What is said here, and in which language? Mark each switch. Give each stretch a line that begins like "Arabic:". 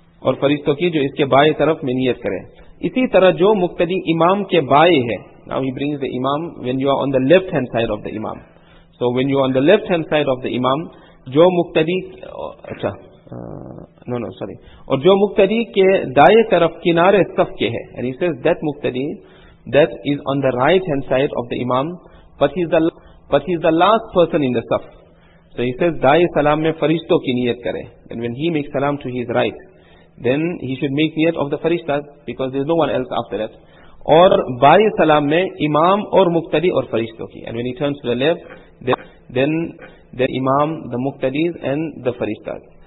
Urdu: اور فرشتوں کی جو اس کے بائیں طرف میں نیت کرے. اسی طرح جو مقتدی امام کے بائیں ہے.
English: Now he brings the imam when you are on the left hand side of the imam. So when you are on the left hand side of the imam,
Urdu: جو مقتدی اور جو مقتدی کے دائیں طرف کنارے صف کے ہے.
English: And he says that
Urdu: مقتدی
English: that is on the right hand side of the imam, but he is the last person in the صف. So he says
Urdu: دائیں سلام میں فرشتوں کی نیت کرے.
English: And when he makes salam to his right, then he should make niyat of the farishtas, because there is no one else after that.
Urdu: Or baaye salam mein imam aur muqtadi aur farishto ki.
English: And when he turns to the left, then the imam, the muqtadis, and the farishtas.